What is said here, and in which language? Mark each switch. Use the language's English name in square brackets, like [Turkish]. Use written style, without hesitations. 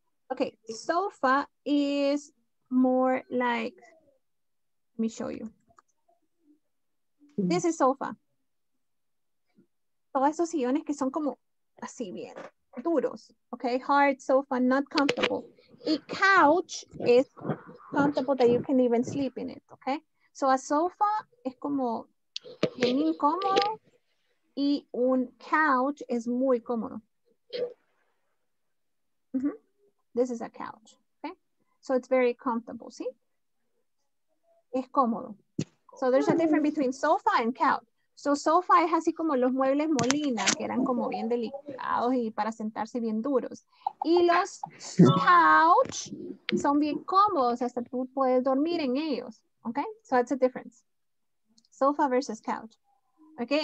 [English] Okay, sofa is more like, let me show you. This is sofa. [Spanish] Todos esos sillones que son como así bien, duros. [English] Okay, hard sofa, not comfortable. A couch is comfortable that you can even sleep in it, okay? [Spanish] So a sofa es como bien incómodo y un couch es muy cómodo. [English] This is a couch, okay? So it's very comfortable, see? [Spanish] Es cómodo. [English] So there's a difference between sofa and couch. [Spanish] So sofa es así como los muebles Molina, que eran como bien delicados y para sentarse bien duros. Y los couch son bien cómodos, hasta tú puedes dormir en ellos, okay? [English] So that's a difference. Sofa versus couch, okay?